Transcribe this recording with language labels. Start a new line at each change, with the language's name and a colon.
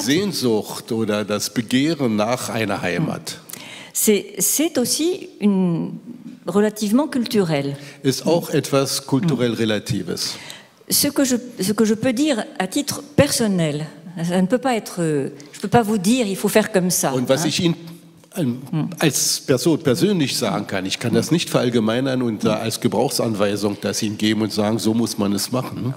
German: Die Sehnsucht oder das Begehren nach einer Heimat.
French: C'est aussi une relativement culturel.
German: Ist auch etwas kulturell relatives.
French: Ce que je peux dire à titre personnel, ça ne peut pas être, je peux pas vous dire, il faut faire comme ça.
German: Und was ich Ihnen als Person persönlich sagen kann, ich kann das nicht verallgemeinern und als Gebrauchsanweisung das Ihnen geben und sagen, so muss man es machen.